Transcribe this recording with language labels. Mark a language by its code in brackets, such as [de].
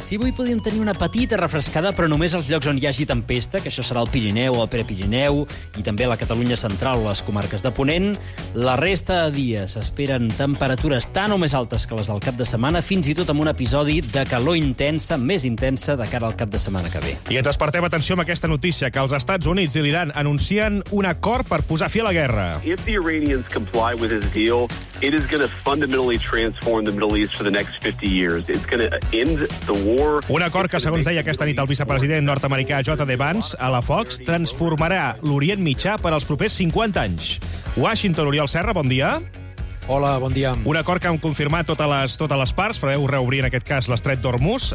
[ca] Si avui podíem tenir una petita refrescada, però només als llocs on hi hagi tempesta, que això serà el Pirineu o el Prepirineu, i també la Catalunya Central o les comarques de Ponent, la resta de dies esperen temperatures tan o més altes que les del cap de setmana, fins i tot amb un episodi de calor intensa, més intensa, de cara al cap de setmana que ve. I ens despertem atenció amb aquesta notícia, que els Estats Units i l'Iran anuncien un acord per posar fi a la guerra. [en] Comply with his deal, it is going to fundamentally transform the Middle East for the next 50 years. It's going to end the war. [ca] Un acord que, segons deia aquesta nit el vicepresident nord-americà J.D. Vance a la Fox, transformarà l'Orient Mitjà per als propers 50 anys. Washington, Oriol Serra, bon dia. Hola, bon dia. Un acord que han confirmat totes les parts, però preveu reobrir en aquest cas l'estret d'Hormuz.